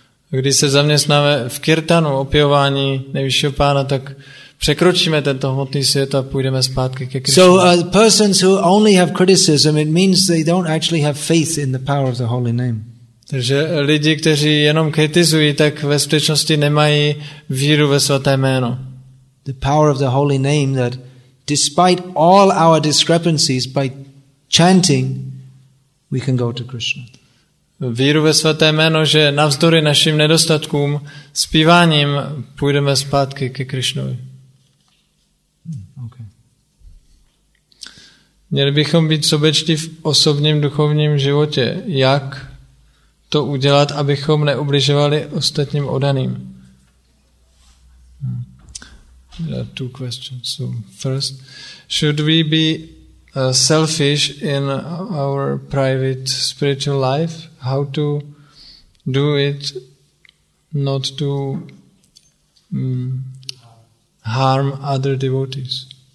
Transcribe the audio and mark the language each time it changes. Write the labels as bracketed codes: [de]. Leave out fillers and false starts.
[cs] Když se zaměstnáme v kirtanu, opěvání nejvyššího pána, tak překročíme tento hmotný svět a půjdeme zpátky ke Krishna. [en] So persons who only have criticism, it means they don't actually have faith in the power of the holy name. [cs] Takže lidi, kteří jenom kritizují, tak ve skutečnosti nemají víru ve svaté jméno. [en] The power of the holy name, that despite all our discrepancies, by chanting, we can go to Krishna. [cs] Víru ve svaté jméno, že navzdory našim nedostatkům, zpíváním půjdeme zpátky ke Krišnovi. [en] Okay. [cs] Měli bychom být sobečtí v osobním duchovním životě. Jak to udělat, abychom neubližovali ostatním oddaným? [en] There are two questions. So first, should we be selfish in our private spiritual life? How to do it not to harm other devotees?